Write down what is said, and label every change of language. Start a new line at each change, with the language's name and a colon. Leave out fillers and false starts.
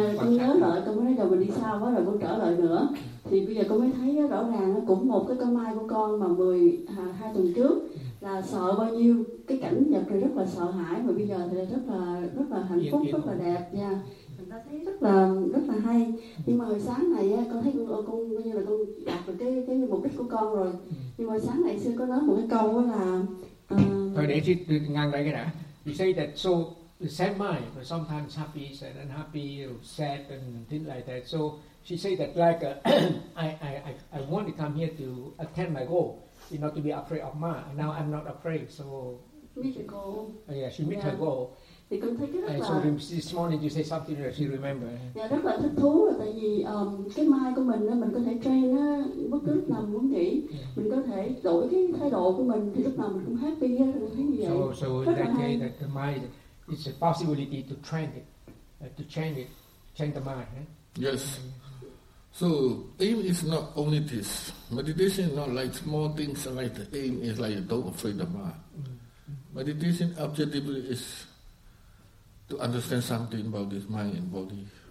Vietnamese: Dạ, con nhớ lại, con mới nói rằng mình đi xa quá rồi, con trở lại nữa. Thì bây giờ con mới thấy rõ ràng, cũng một cái câu mai của con mà 12 tuần trước là sợ bao nhiêu, cái cảnh nhập thì rất là sợ hãi, mà bây giờ thì rất là hạnh phúc, rất là đẹp. Dạ, ta thấy rất là hay. Nhưng mà hồi sáng này con thấy con như là con đạt được cái mục đích của con rồi. Nhưng mà hồi sáng này sư có nói một cái câu đó là thôi để chị ngang đây cái đã.
English: You say that so the sad mind, but sometimes happy, sad, unhappy, sad and things like that. So she say that like I want to come here to attend my goal, you know, to be afraid of ma. Now I'm not afraid. So meet her goal. Yeah, she meet her goal.
Vietnamese: Thì con thấy cái rất là.
English: So this morning you say something that she remember.
Vietnamese: Yeah, rất là thích thú là tại vì cái mind của mình mình có thể train á, bất cứ lúc nào muốn nghỉ, mình có thể đổi cái thái độ của mình thì lúc nào mình cũng happy á, thấy như vậy.
English: So that day that the mind is a possibility to train it, to change it, change the mind. Eh? Yes. So aim is not only this. Meditation is not like small things like the aim is like don't afraid the mind. Meditation objective is to understand something about this mind and body.